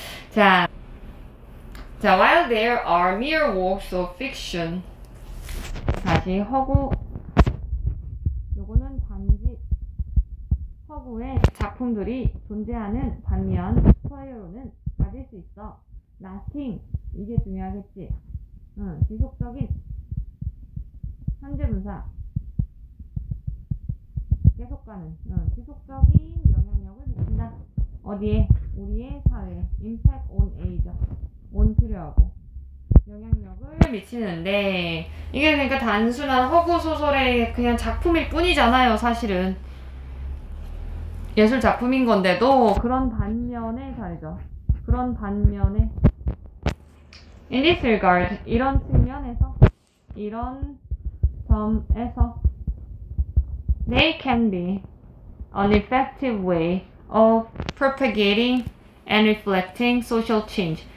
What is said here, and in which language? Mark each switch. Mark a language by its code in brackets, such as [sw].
[en] 자, while there are mere works of fiction. [ko] 다시 허구. 요거는 단지 허구의 작품들이 존재하는 반면 슈퍼히어로는 가질 수 있어. Lasting, 이게 중요하겠지. 지속적인 현재 분사 계속 가는 지속적인 영향력을 미친다. 어디에? 우리의 사회에 impact on age죠. on 필요하고 영향력을 미치는데, 이게 그러니까 단순한 허구 소설의 그냥 작품일 뿐이잖아요. 사실은 예술 작품인 건데도 그런 반면에 다르죠. 그런 반면에 [en] In this regard, [ko] 이런 측면에서 이런 점에서 [en] they can be an effective way of propagating and reflecting social change.